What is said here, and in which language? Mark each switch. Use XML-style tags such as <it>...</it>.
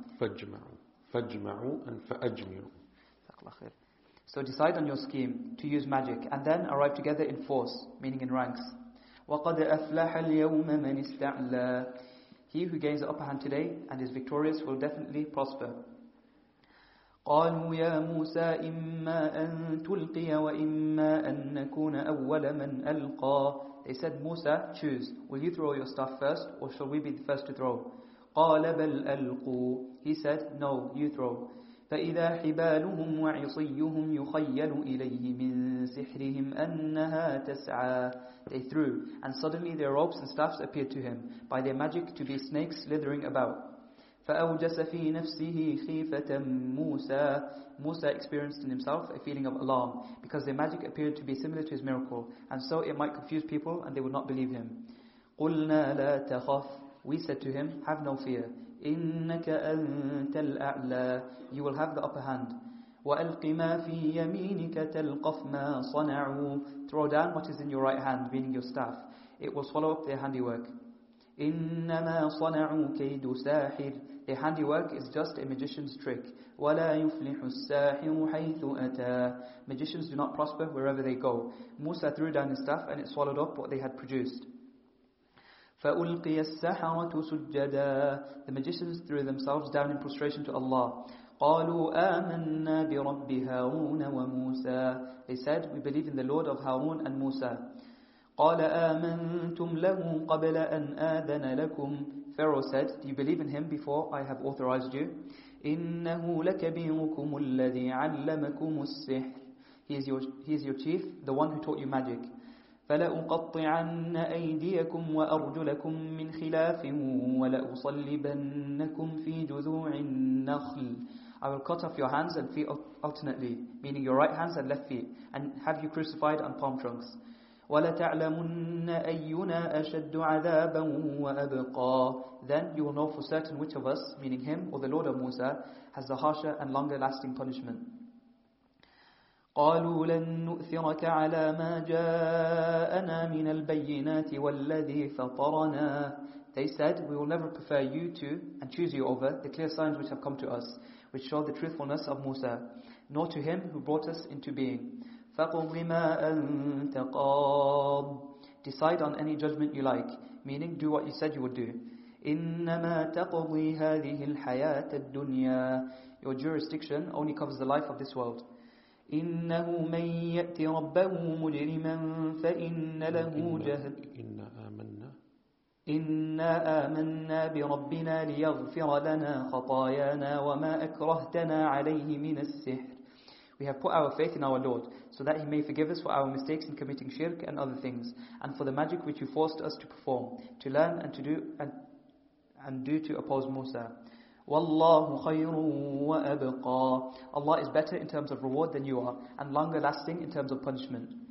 <ar>فَأَجْمَعُوا. فَأَجْمَعُوا and فَأَجْمِعُوا.</ar> <en>So decide on your scheme to use magic and then arrive together in force, meaning in ranks.</en> <ar>وَقَدْ أَفْلَحَ الْيَوْمَ مَنِ اسْتَعْلَى.</ar> <en>He who gains the upper hand today and is victorious will definitely prosper.</en> <ar>قالوا يا موسى إما أن تلقي وإما أن نكون أول من ألقى.</ar> <en>They said, Musa, choose. Will you throw your stuff first or shall we be the first to throw?</en> <ar>قال بل ألقوا.</ar> <en>He said, no, you throw.</en> <ar>فإذا حبالهم وعصيهم يخيل إليه من سحرهم أنها تسعى.</ar> <en>They threw, and suddenly their ropes and staffs appeared to him, by their magic to be snakes slithering about.</en> <ar>فأوجس في نفسه خيفة موسى.</ar> <en>Musa experienced in himself a feeling of alarm, because their magic appeared to be similar to his miracle, and so it might confuse people and they would not believe him.</en> <ar>قلنا لا تخف.</ar> <en>We said to him, have no fear.</en> <ar>إنك أنت الأعلى.</ar> <en>You will have the upper hand.</en> <ar>وألق ما في يمينك تلقف ما صنعوا.</ar> <en>Throw down what is in your right hand, meaning your staff. It will swallow up their handiwork.</en> <ar>إنما صنعوا كيد ساحر.</ar> <en>Their handiwork is just a magician's trick.</en> <ar>ولا يفلح الساحر حيث أتى.</ar> <en>Magicians do not prosper wherever they go. Musa threw down his staff and it swallowed up what they had produced.</en> <ar>فألقي السحرة سجدا.</ar> <en>The magicians threw themselves down in prostration to Allah.</en> <ar>قالوا آمنا برب هارون وموسى.</ar> <en>They said, we believe in the Lord of Harun and Musa.</en> <ar>قال آمنتم له قبل أن آذن لكم.</ar> <en>Pharaoh said, do you believe in him before I have authorized you?</en> <ar>إنه لكبيركم الذي علمكم السحر.</ar> <en>He is your chief, the one who taught you magic.</en> <ar>فَلَأُقَطِّعَنَّ أَيْدِيَكُمْ وَأَرْجُلَكُمْ مِنْ خِلَافٍ وَلَأُصَلِّبَنَّكُمْ فِي جُذُوعِ النَّخْلِ.</ar> <en>I will cut off your hands and feet alternately, meaning your right hands and left feet, and have you crucified on palm trunks.</en> <ar>وَلَتَعْلَمُنَّ أَيُّنَا أَشَدُّ عَذَابًا وَأَبْقَى.</ar> <en>Then you will know for certain which of us, meaning him or the Lord of Musa, has the harsher and longer lasting punishment.</en> <ar>قالوا لن نؤثرك على ما جاءنا من البينات والذي فطرنا.</ar> <en>They said, we will never prefer you to and choose you over the clear signs which have come to us, which show the truthfulness of Musa, nor to him who brought us into being.</en> <ar>فقضي ما أنت قاض.</ar> <en>Decide on any judgment you like, meaning do what you said you would do.</en> <ar>إنما تقضي هذه الحياة الدنيا.</ar> <en>Your jurisdiction only covers the life of this world.</en> <ar>إنه من يأتي ربه مجرما فإن له جهنم. إنا آمنا بربنا ليغفر لنا خطايانا وما أكرهتنا عليه من السحر.</ar> <en>We have put our faith in our Lord so that he may forgive us for our mistakes in committing shirk and other things, and for the magic which you forced us to perform, to learn and to do and do to oppose Musa.</en> <ar>والله خير وأبقى.</ar> <en>Allah is better in terms of reward than you are, and longer lasting in terms of punishment.</en>